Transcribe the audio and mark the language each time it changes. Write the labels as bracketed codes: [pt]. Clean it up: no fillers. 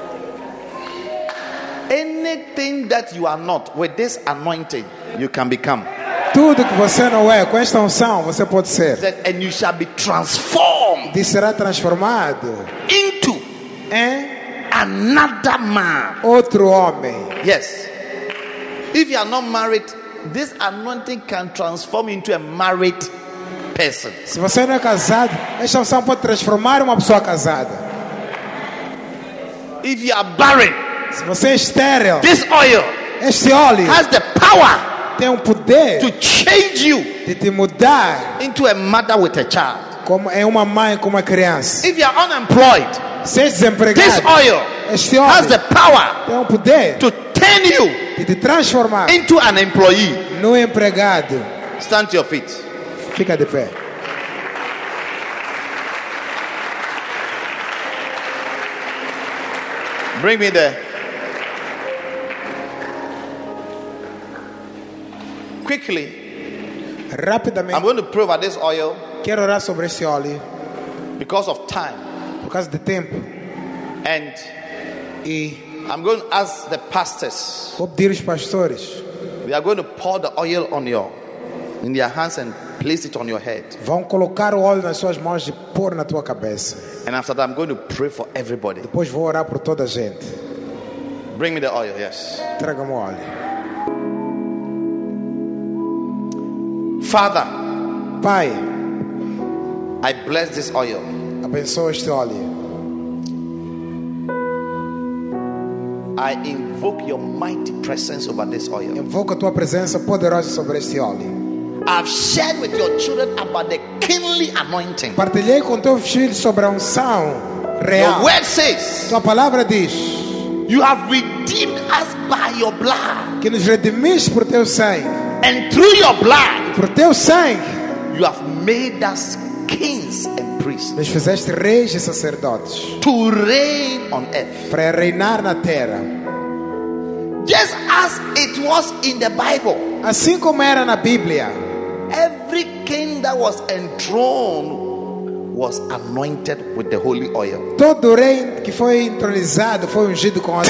[en] Anything that you are not with this anointing, you can become. [pt] Tudo que você não é com esta unção, você pode ser. [en] And you shall be transformed. [pt] E será transformado [en] into another man. [pt] Outro homem. [en] Yes. If you are not married, this anointing can transform into a married person. [pt] Se você não é casado, esta unção pode transformar uma pessoa casada. [en] If you are barren. [pt] Se você é estéril, [en] this oil, [pt] este óleo, [en] has the power, [pt] tem um poder, [en] to change you, [pt] de te mudar, [en] into a mother with a child, [pt] como é uma mãe com uma criança. [en] If you are unemployed, [pt] se és desempregado, [en] this oil, [pt] este óleo, [en] has the power, [pt] tem um poder, [en] to turn you, [pt] de te transformar, [en] into an employee, [pt] no empregado. [en] Stand to your feet, [pt] fica de pé. [en] Bring me there. quickly. [pt] Rapidamente. [en] I'm going to pray over this oil. [pt] Quero orar sobre esse óleo. [en] Because of time. [pt] Por causa do tempo. [en] And [pt] e [en] I'm going to ask the pastors. [pt] Vou pedir aos pastores. [en] We are going to pour the oil on you in your hands and place it on your head. [pt] Vão colocar o óleo nas suas mãos e pôr na tua cabeça. [en] And after that I'm going to pray for everybody. [pt] Depois vou orar por toda a gente. [en] Bring me the oil, yes. [pt] Traga-me o óleo. [en] Father, [pt] Pai, [en] I bless this oil. [pt] Abençoa este óleo. [en] I invoke your mighty presence over this oil. [pt] Invoco a tua presença poderosa sobre este óleo. [en] I've shared with your children about the kingly anointing. [pt] Partilhei com teus filhos sobre a unção real. [en] The word says, [pt] tua palavra diz, [en] you have redeemed us by your blood. [pt] Que nos redimiste por teu sangue. [en] And through your blood, [pt] por teu sangue, [en] you have made us kings and priests. [pt] Nos fizeste reis e sacerdotes. [en] To reign on earth. [pt] Para reinar na terra. [en] Just as it was in the Bible. [pt] Assim como era na Bíblia. [en] Every king that was enthroned was anointed with the holy oil. [pt] Todo rei que foi entronizado foi ungido com óleo.